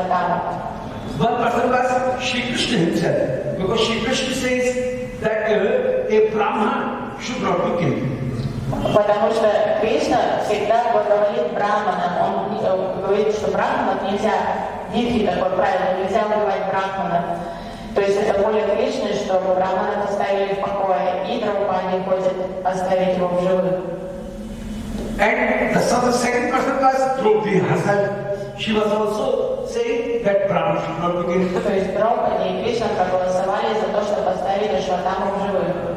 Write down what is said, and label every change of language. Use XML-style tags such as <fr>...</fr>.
<en>One person was Shri Krishna himself, because Shri Krishna says that a Brahman should not be killed.</en> <ru>Потому что Кришна всегда говорит Брахманам, он говорит, что Брахманам нельзя, дикий такой правило, нельзя убивать Брахманам. То есть это воля Кришны, чтобы Брахмана оставили в покое, и Драупади хочет оставить его в живых.</ru> <en>And the second person was Draupadi herself. She was also saying that Brahma should not be killed.</en> <ru>То есть Прабхупада и Кришна проголосовали за то, чтобы оставить Ашватаму в живых.</ru>